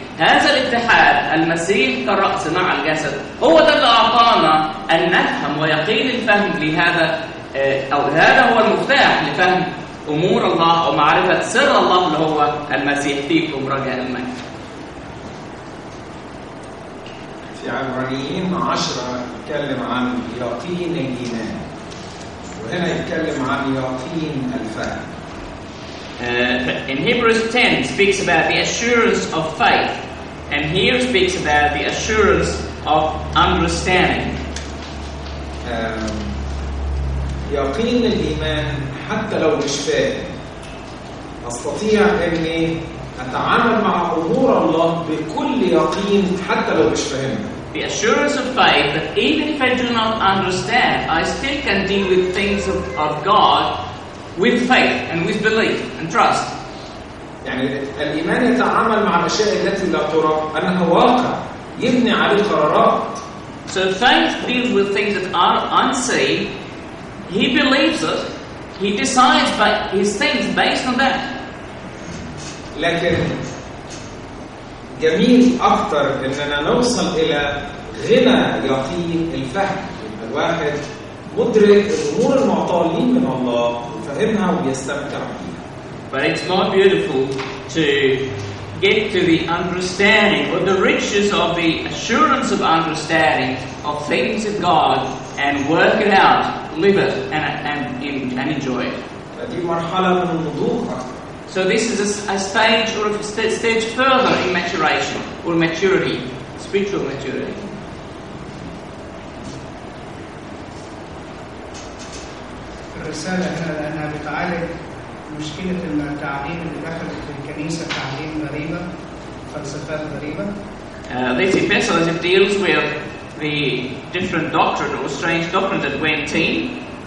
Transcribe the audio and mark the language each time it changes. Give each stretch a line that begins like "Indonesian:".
Arabic: هذا الاتحاد المسيح كالرأس مع الجسد هو ده اللي أعطانا أن نفهم ويقين الفهم لهذا أو هذا هو المفتاح لفهم أمور الله أو معرفة سر الله اللي هو المسيح فيكم رجاء المجد. في عبرانيين 10 يتكلم عن يقين الإيمان وهنا يتكلم عن يقين الفهم.
English: In Hebrews 10 speaks about the assurance of faith and here speaks about the assurance of understanding.
Arabic: يقين الإيمان حتى لو مش فاهم أستطيع أني أتعامل مع أمور الله بكل يقين حتى لو مش فاهم.
English: The assurance of faith that even if I do not understand, I still can deal with things of God with faith and with belief and trust.
Arabic: يعني الإيمان يتعامل مع الأشياء التي لا ترى أنها واقع يبني على القرارات.
English: So faith deals with things that are unseen. He believes it. He decides by his things based on that.
Arabic: لكن جميل أكثر أننا نوصل إلى غنى يقين الفهم لأن الواحد مدرك الأمور المعطاة لي من الله وفهمها ويستمتع بها.
English: But it's more beautiful to get to the understanding or the riches of the assurance of understanding of things of God and work it out, live it and enjoy it.
Arabic: دي مرحلة من النضوج أكثر.
English: So this is a stage or a stage further in maturation or maturity, spiritual maturity.
Arabic: الرسالة هنا لأنها بتعالج مشكلة التعليم اللي دخلت في الكنيسة تعليم غريبة فلسفات غريبة.
English: This epistle as it deals with the different doctrine or strange doctrine that went in.